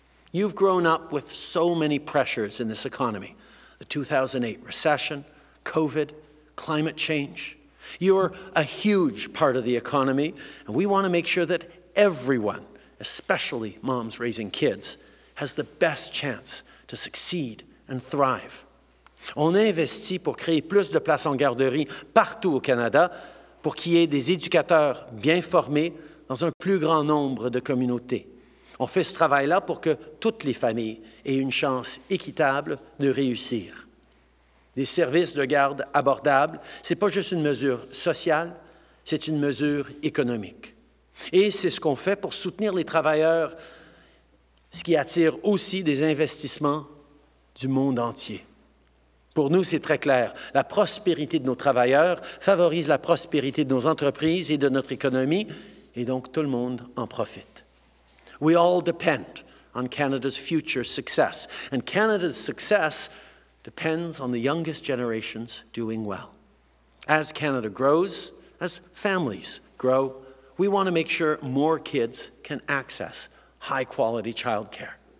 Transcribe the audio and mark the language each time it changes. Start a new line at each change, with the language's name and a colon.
English: You've grown up with so many pressures in this economy, the 2008 recession, COVID, climate change. You're a huge part of the economy, and we want to make sure that everyone, especially moms raising kids, has the best chance to succeed and thrive.
French: On investit pour créer plus de places en garderie partout au Canada pour qu'il y ait des éducateurs bien formés dans un plus grand nombre de communautés. On fait ce travail-là pour que toutes les familles aient une chance équitable de réussir. Des services de garde abordables, c'est pas juste une mesure sociale, c'est une mesure économique. Et c'est ce qu'on fait pour soutenir les travailleurs, ce qui attire aussi des investissements du monde entier. Pour nous, c'est très clair, la prospérité de nos travailleurs favorise la prospérité de nos entreprises et de notre économie, et donc tout le monde en profite.
English: We all depend on Canada's future success, and Canada's success depends on the youngest generations doing well. As Canada grows, as families grow, we want to make sure more kids can access high-quality childcare.